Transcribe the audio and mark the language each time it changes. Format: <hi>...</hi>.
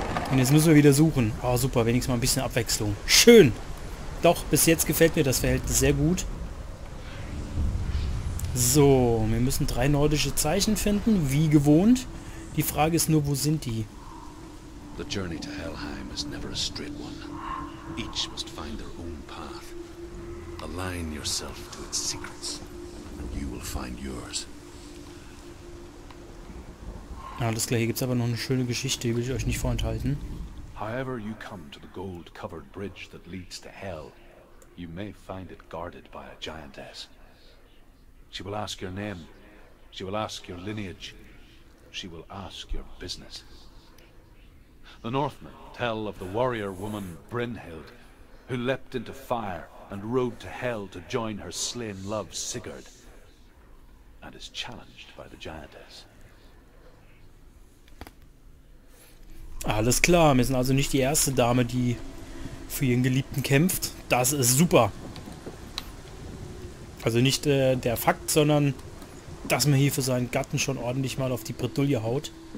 <de>Und jetzt müssen wir wieder suchen. Oh, super. Wenigstens mal ein bisschen Abwechslung. Schön. Doch, bis jetzt gefällt mir das Verhältnis sehr gut. So, wir müssen drei nordische Zeichen finden, wie gewohnt. Die Frage ist nur, wo sind die?</de> <en>The journey to Helheim is never a straight one. Each must find their own path. Align yourself to its secrets, and you will find yours.</en> <de>Alles klar, hier gibt's aber noch eine schöne Geschichte, die will ich euch nicht vorenthalten.</de> <en>However you come to the gold-covered bridge that leads to Hel, you may find it guarded by a giantess. She will ask your name. She will ask your lineage. She will ask your business. The Northmen tell of the warrior woman Brynhild, who leapt into fire and rode to Hel to join her slain love Sigurd, and is challenged by the giantess.</en> <de>Alles klar, wir sind also nicht die erste Dame, die für ihren Geliebten kämpft. Das ist super. Also nicht der Fakt, sondern dass man hier für seinen Gatten schon ordentlich mal auf die Bredouille haut.</de>